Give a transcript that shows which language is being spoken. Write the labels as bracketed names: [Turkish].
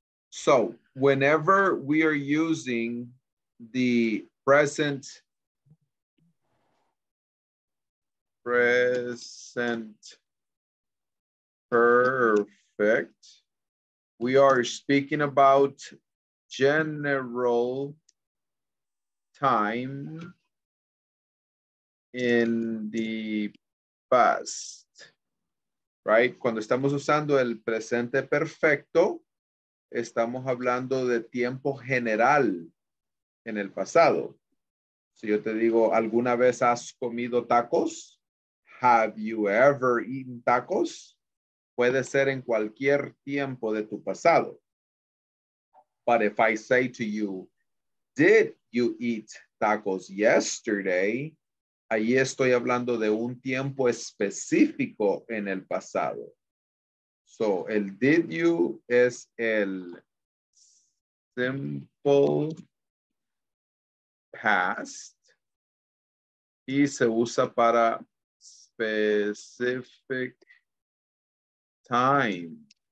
[English] So whenever we are using the present perfect, we are speaking about general time in the past, right? [Spanish] Cuando estamos usando el presente perfecto, estamos hablando de tiempo general en el pasado. Si yo te digo, ¿alguna vez has comido tacos? [English] Have you ever eaten tacos? [Spanish] Puede ser en cualquier tiempo de tu pasado. [English] But if I say to you, did you eat tacos yesterday? [Spanish] Ahí estoy hablando de un tiempo específico en el pasado. So, el did you es el simple past. Y se usa para [English] specific time.